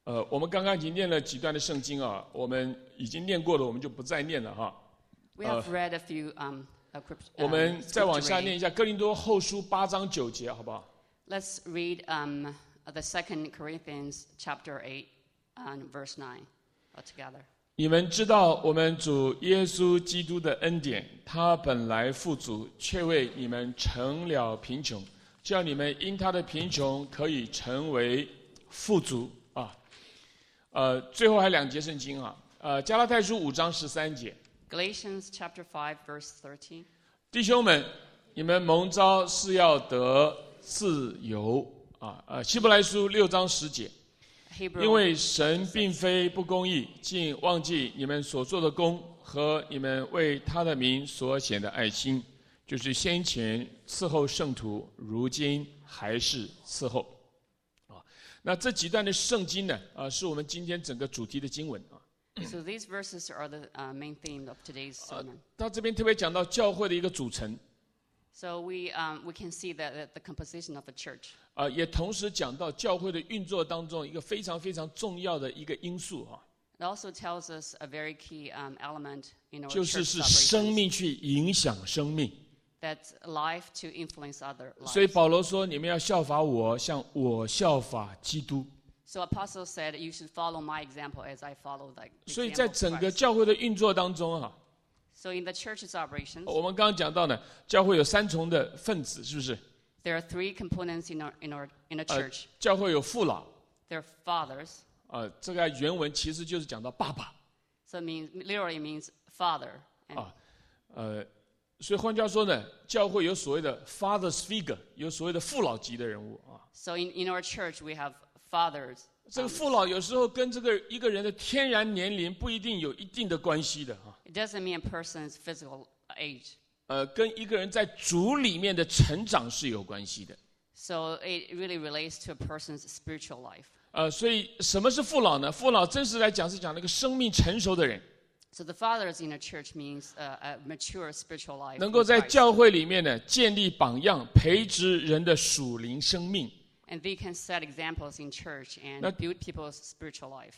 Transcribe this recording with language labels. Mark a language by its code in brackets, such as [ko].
[zh] 我们刚刚已经念了几段的圣经啊，我们已经念过的，我们就不再念了哈。 [en] We have read a few scriptures. [zh] 我们再往下念一下《哥林多后书》八章九节，好不好 [en] ？Let's read the Second Corinthians chapter 8 and verse 9 together. [zh] 你们知道我们主耶稣基督的恩典，他本来富足，却为你们成了贫穷，叫你们因他的贫穷可以成为富足啊。最后还两节圣经啊，《加拉太书》五章十三节。 [en] Galatians chapter 5 verse 13. [zh] 弟兄们，你们蒙召是要得自由啊！希伯来书六章十节，因为神并非不公义，竟忘记你们所做的功和你们为他的名所显的爱心，就是先前伺候圣徒，如今还是伺候。那这几段的圣经呢？是我们今天整个主题的经文啊。 [en] So these verses are the main theme of today's sermon. [zh] 到这边特别讲到教会的一个组成。 [en] So we can see that the composition of the church. [zh] 也同时讲到教会的运作当中一个非常非常重要的一个因素啊。 [en] It also tells us a very key element in our church operations. [zh] 就是是生命去影响生命。 [en] That's life to influence other lives. [zh] 所以保罗说：“你们要效法我，像我效法基督。” [en] So apostle said, "You should follow my example as I follow the example of Christ." [zh] 所以在整个教会的运作当中啊。 [en] So in the church's operations. [zh] 我们刚刚讲到呢，教会有三重的分子，是不是 [en] ？There are three components in a church. [zh] 教会有父老。 [en] There are fathers. [zh] 这个原文其实就是讲到爸爸。 [en] So literally means father. [zh] 所以换句话说呢，教会有所谓的 [en] father's figure， [zh] 有所谓的父老级的人物啊。 [en] So in our church we have fathers。 [zh] 这个父老有时候跟这个一个人的天然年龄不一定有一定的关系的啊。 [en] It doesn't mean a person's physical age。 [zh] 跟一个人在主里面的成长是有关系的。 [en] So it really relates to a person's spiritual life。 [zh] 所以什么是父老呢？父老真实来讲是讲那个生命成熟的人。 [en] So the fathers in a church means a mature spiritual life. 能够在教会里面呢建立榜样，培植人的属灵生命。 And they can set examples in church and build people's spiritual life.